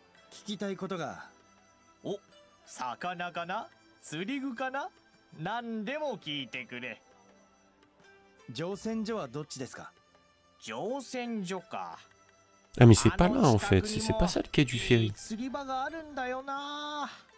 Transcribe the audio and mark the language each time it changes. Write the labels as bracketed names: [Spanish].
[Japanese] 聞きたいことが。お、魚かな？釣り具かな？何でも聞いてくれ。乗船所はどっちですか？乗船所か。 [French] Ah mais c'est pas là en fait, c'est pas ça le quai du ferry. [Japanese] 釣り場があるんだよな。